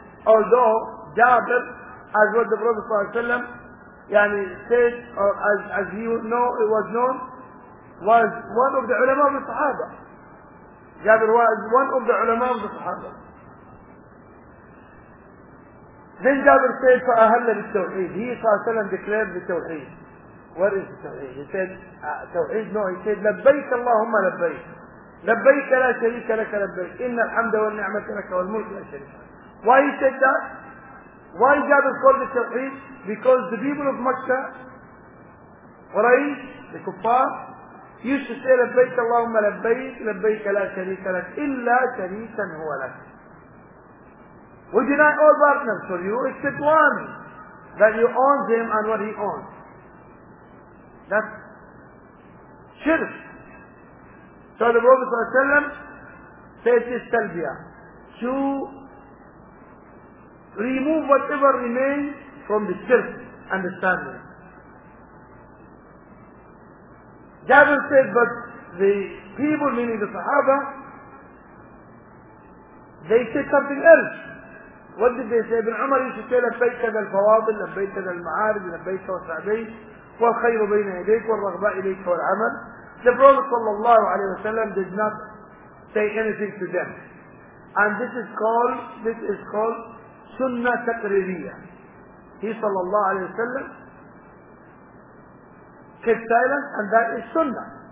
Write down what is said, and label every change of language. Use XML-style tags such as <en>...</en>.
<en>Although Jabir, as what the Prophet yani said, or as he would know, it was known, was one of the ulama of the Sahaba. Jabir was one of the ulama of the Sahaba. Then Jabir said,</en> <ar>فَأَهَلَّ بِالتَّوْحِيدِ.</ar> <en>He, Sallallahu declared the Tawheed. What is the Tawheed? He said, Tawheed? No, he said,</en> <ar>لَبَّيْكَ اللَّهُمَّ لَبَّيْكَ. لبيك لا شريك لك لبيك إن الحمد والنعمة لك والملك لا شريك.</ar> <en>Why he said that? Why Jabir called the Tawheed? Because the people of Mecca, Quraysh, the Kuffar, used to say</en> <ar>لبيك اللهم لبيك لبيك لا شريك لك إلا شريكا هو لك.</ar> <en>We deny all partners for you except one, that you own him and what he owns. That's shirk. So the Prophet ﷺ said this talbiya, to remove whatever remains from the shirk understanding. Jabir said, but the people, meaning the Sahaba, they said something else. What did they say? Ibn Umar used to say,</en> <ar>لبيك ذا الفواضل, لبيك ذا المعارض, لبيك وسعديك, والخير بين يديك, والرغباء إليك والعمل.</ar> <en>The Prophet sallallahu alayhi wa sallam did not say anything to them. And this is called sunnah taqririya. He sallallahu alayhi wa sallam kept silent, and that is sunnah.</en>